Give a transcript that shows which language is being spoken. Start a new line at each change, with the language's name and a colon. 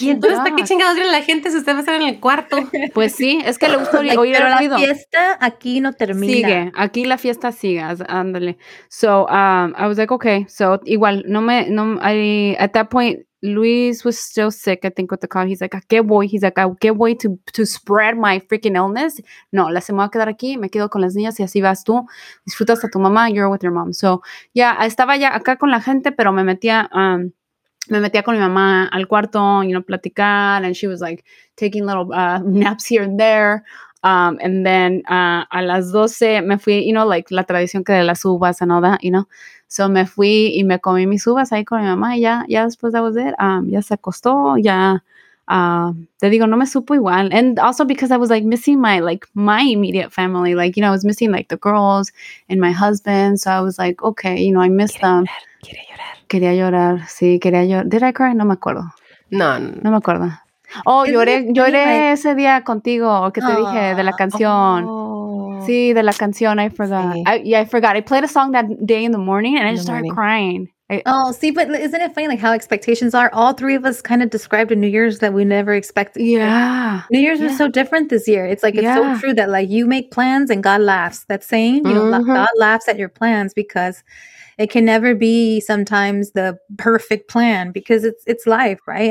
Spanish: Y entonces, ¿para qué chingados viene la gente si usted va a estar en el cuarto? Pues sí, es que le gusta oír el ruido. Pero la fiesta aquí no termina. Sigue, aquí la fiesta sigue, ándale.
English: So, I was like, okay, so
Spanish: igual,
English: at that point, Luis was still sick, I think, with the cough. He's like,
Spanish: ¿A qué voy
English: to spread my freaking illness?
Spanish: No, la se me va a quedar aquí, me quedo con las niñas y así vas tú. Disfrutas a tu mamá,
English: you're with your mom. So, yeah,
Spanish: estaba ya acá con la gente, pero me metía con mi mamá al cuarto,
English: you know,
Spanish: platicar,
English: and she was like taking little naps here and there. And then
Spanish: a las 12 me fui,
English: you know, like
Spanish: la tradición que de las uvas
English: and all that, you know. So
Spanish: me fui y me comí mis uvas ahí con mi mamá, y ya después de
English: was it,
Spanish: ya se acostó, ya, te digo, no me supo igual.
English: And also because I was like missing my, like my immediate family, like, you know, I was missing like the girls and my husband. So I was like, okay, you know, I miss them.
Spanish: Quería llorar. Sí, quería llorar.
English: Did I cry?
Spanish: No me acuerdo. No me acuerdo. Oh, lloré ese día contigo, que te dije, de la canción. Sí, de la canción,
English: I forgot. I forgot. I played a song that day in the morning, and I just started crying. But isn't it funny, like, how expectations are? All three of us kind of described a New Year's that we never expected. Yeah. New Year's was so different this year. It's like, it's so true that, like, you make plans and God laughs. That saying, you know, God laughs at your plans, because it can never be sometimes the perfect plan, because it's life, right?